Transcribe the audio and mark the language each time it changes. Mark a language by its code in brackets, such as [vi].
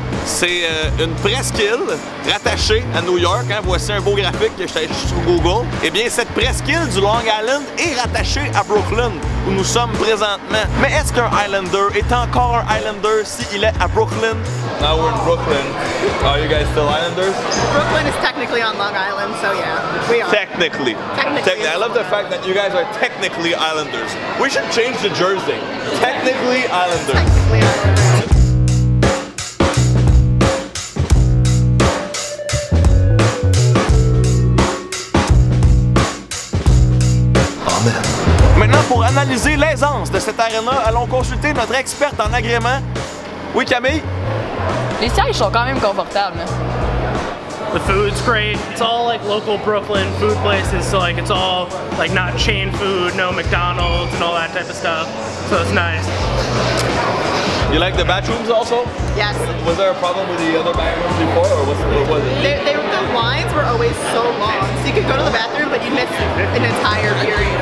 [fr] C'est une presqu'île rattachée à New York. Hein. Voici un beau graphique que j'ai acheté sur Google. Eh bien, cette presqu'île du Long Island est rattachée à Brooklyn, où nous sommes présentement. Mais est-ce qu'un Islander est encore un Islander s'il est à Brooklyn? [en] Now we're in Brooklyn. Are you guys still Islanders? Brooklyn is technically on Long Island, so yeah, we are. Technically. Technically. I love the fact that you guys are technically Islanders. We should change the jersey. Technically Islanders. [fr] Maintenant, pour analyser l'aisance de cette aréna, allons consulter notre experte en agrément. Oui, Camille? Les sièges sont quand même confortables. [en] The food's great. It's all like local Brooklyn food places, so like it's all like not chain food, no McDonald's and all that type of stuff. So it's nice. You like the bathrooms also? Yes. Was there a problem with the other bathrooms before, or what was it? The lines were always so long, so you could go to the bathroom, but you missed an entire period.